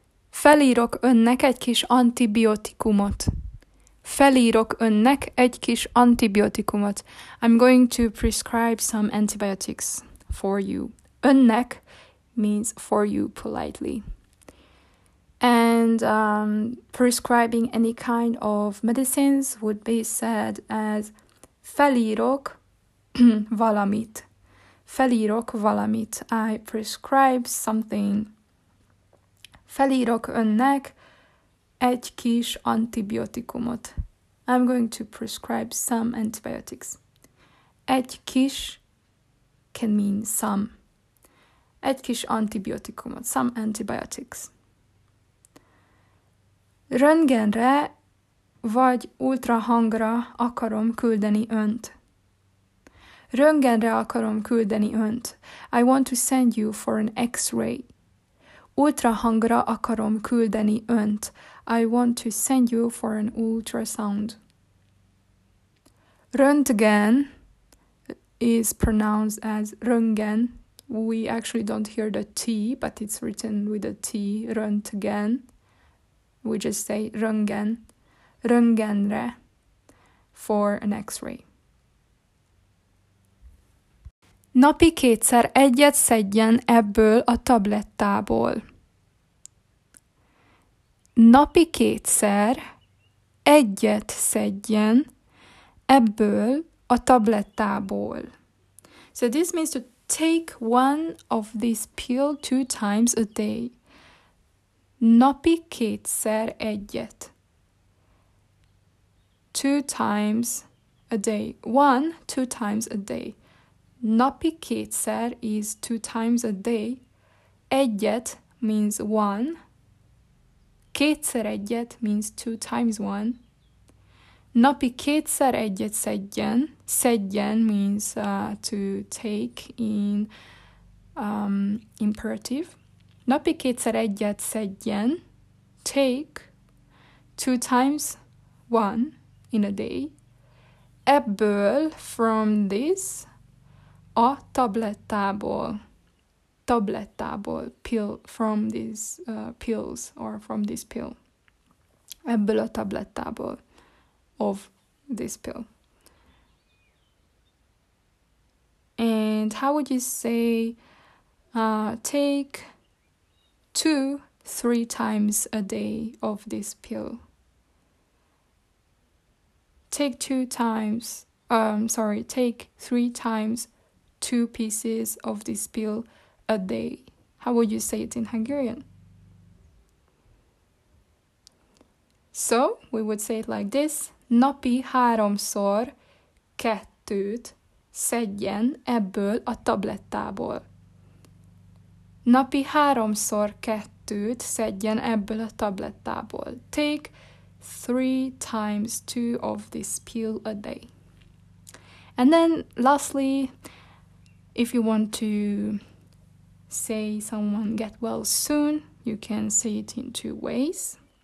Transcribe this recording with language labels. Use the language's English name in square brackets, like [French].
[Hungarian] Felírok önnek egy kis antibiotikumot. Felírok önnek egy kis antibiotikumot. [English] I'm going to prescribe some antibiotics for you. Önnek means for you, politely. And prescribing any kind of medicines would be said as [Hungarian] felírok valamit. Felírok valamit. [English] I prescribe something. [Hungarian] Felírok önnek egy kis antibiotikumot. [English] I'm going to prescribe some antibiotics. [Hungarian] Egy kis [English] can mean some. [Hungarian] Egy kis antibiotikumot, [English] some antibiotics. [Hungarian] Röntgenre vagy ultrahangra akarom küldeni önt. Röntgenre akarom küldeni önt. [English] I want to send you for an X-ray. [Hungarian] Ultrahangra akarom küldeni önt. [English] I want to send you for an ultrasound. Röntgen is pronounced as röntgen. We actually don't hear the T, but it's written with a T, röntgen. We just say röntgen, röntgenre, for an X-ray. [Hungarian] Napi kétszer egyet szedjen ebből a tablettából. Napi kétszer egyet szedjen ebből a tablettából. [English] So this means to take one of these pills two times a day. No picket, said Edget. Two times a day. One, two times a day. No picket, said is two times a day. Edget means one. [Hungarian] Kétszer egyet [English] means two times one. [Hungarian] Napi kétszer egyet szedjen. [English] Szedjen means to take in imperative. [Hungarian] Napi kétszer egyet szedjen. [English] Take two times one in a day. [Hungarian] Ebből, [English] from this, [Hungarian] a tablettából. [English] Tablettából, pill, from these pills, or from this pill. [Hungarian] Ebből a tablettából, [English] of this pill. And how would you say, take two, three times a day of this pill? Take two times, take three times two pieces of this pill a day. How would you say it in Hungarian? So we would say it like this. [Hungarian] Napi háromszor kettőt szedjen ebből a tablettából. Napi háromszor kettőt szedjen ebből a tablettából. [English] Take three times two of this pill a day. And then lastly, if you want to say someone get well soon, you can say it in two ways.